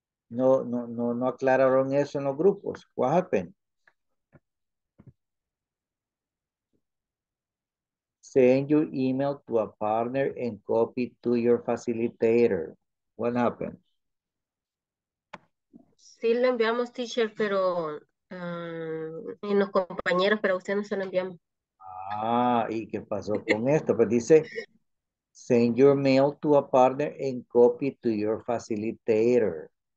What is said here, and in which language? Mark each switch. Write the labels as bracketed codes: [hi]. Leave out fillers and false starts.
[es] No aclararon eso en los grupos. [en] What happened? Send your email to a partner and copy to your facilitator. What happened? [es] Sí, lo enviamos, teacher, pero en los compañeros, pero a usted no se lo enviamos. Ah, ¿y qué pasó con esto? Pues dice, [en] send your mail to a partner and copy to your facilitator.